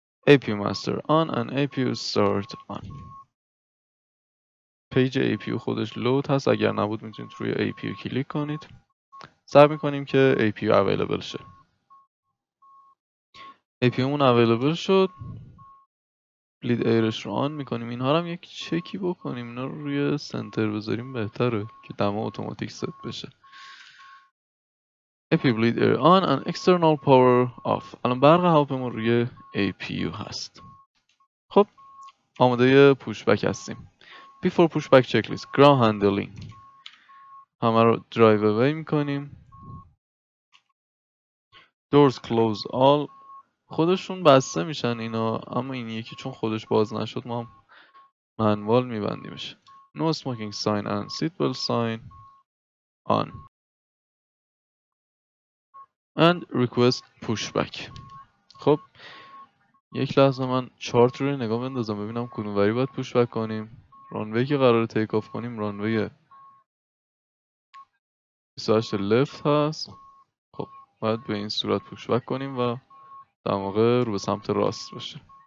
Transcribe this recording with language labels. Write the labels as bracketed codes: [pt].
[en] APU master on and APU start on. [fa] پیج APU خودش لود هست. اگر نبود میتونید روی APU کلیک کنید. سعی میکنیم که APU اویلیبل شه. APU مون اویلیبل شد. بلید ایرش رو آن میکنیم. اینها رو هم یک چکی بکنیم. اینها رو روی سنتر بذاریم بهتره که دما اوتوماتیک ست بشه. [en] APU bleed air on and external power off. [fa] الان برق هواپیمون روی APU هست. خب آماده ی پوشبک هستیم. [en] Before pushback checklist. Ground handling. [fa] همه رو drive away میکنیم. [en] Doors close all. [fa] خودشون بسته میشن اینا. اما این یکی چون خودش باز نشد ما هم منوال میبندیمش. [en] No smoking sign and seatbelt sign on. And request pushback. [fa] خب یک لحظه من چارت رو نگاه بندازم ببینم کدوم وری باید پوشبک کنیم. رانوی که قراره تیک آف کنیم رانوی 28 لفت هست. خب باید به این صورت پوشبک کنیم و دماغ رو به سمت راست باشه.